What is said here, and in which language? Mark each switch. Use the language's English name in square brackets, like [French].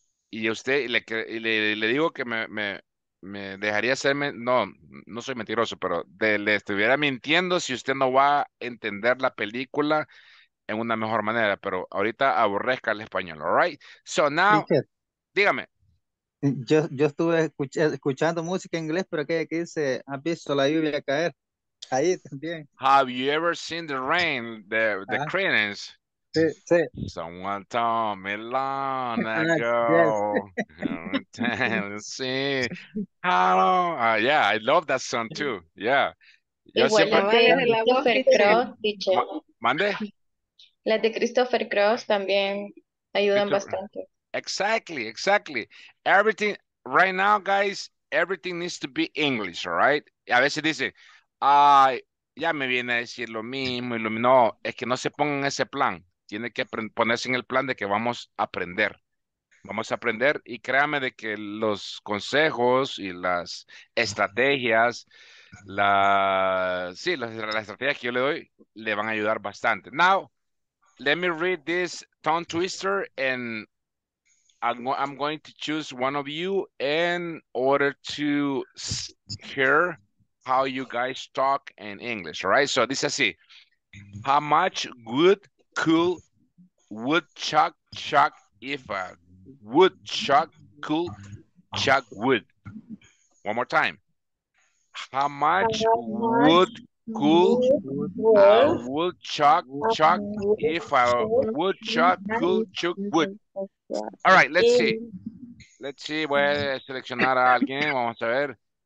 [Spanish] Y usted le digo que me dejaría hacerme, no soy mentiroso, pero le estuviera mintiendo si usted no va a entender la película en una mejor manera, pero ahorita aborrezca el español, all right? [English] So now, teacher, [Spanish] dígame. Yo estuve escuchando música en inglés, pero que dice, ¿has visto la lluvia caer? Ahí también. [English] Have you ever seen the rain, the credence? [Spanish] Sí, sí. [English] Someone told me long ago. Tennessee. Hello. Yeah, I love that song too. Yeah. [Spanish] Yo igual siempre... la de Christopher Cross, dicho. ¿Mande? La de Christopher Cross también ayudan bastante. [English] Exactly. Everything, right now, guys, everything needs to be English, all right? [Spanish] A veces dice, ay, ya me viene a decir lo mismo. No, es que no se pongan en ese plan. Tiene que ponerse en el plan de que vamos a aprender. Vamos a aprender y créame de que los consejos y las estrategias, las estrategias que yo le doy, le van a ayudar bastante. [English] Now, let me read this tongue twister and I'm going to choose one of you in order to hear how you guys talk in English, all right? So this is it. How much good, cool, woodchuck, chuck, if a woodchuck could chuck wood? One more time. How much wood could a woodchuck chuck if a woodchuck could chuck wood? All right, let's see. Let's see, [Spanish] voy a seleccionar a alguien, vamos a ver.